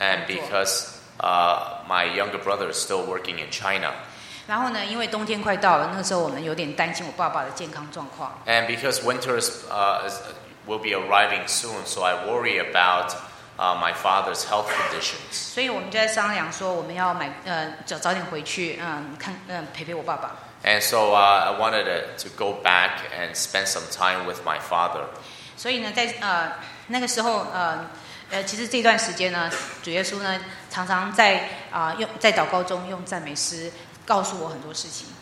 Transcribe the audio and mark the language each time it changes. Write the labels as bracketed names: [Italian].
[English] And because my younger brother is still working in China. [Chinese] 然后呢，因为冬天快到了，那个时候我们有点担心我爸爸的健康状况。 [English] And because winter will be arriving soon, so I worry about my father's health conditions. [Chinese] 所以我们就在商量说，我们要买早点回去，陪陪我爸爸。 [English] And so I wanted to go back and spend some time with my father. [Chinese] 所以呢，在那个时候其实这段时间呢，主耶稣呢常常在在祷告中用赞美诗告诉我很多事情。